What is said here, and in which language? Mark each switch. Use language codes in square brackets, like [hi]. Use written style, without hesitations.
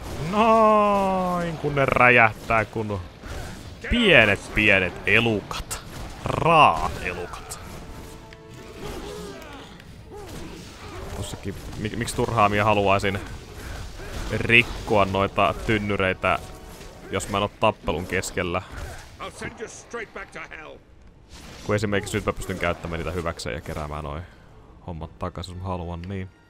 [fi] Noin kun ne räjähtää kun pienet elukat. Raat elukat. Tossakin, miksi turhaa minä haluaisin rikkoa noita tynnyreitä, jos mä en oo tappelun keskellä. [en] I'll send you straight back to hell. [fi] Kun esimerkiksi nyt mä pystyn käyttämään niitä hyväkseen ja keräämään noin hommat takaisin, jos mä haluan, niin.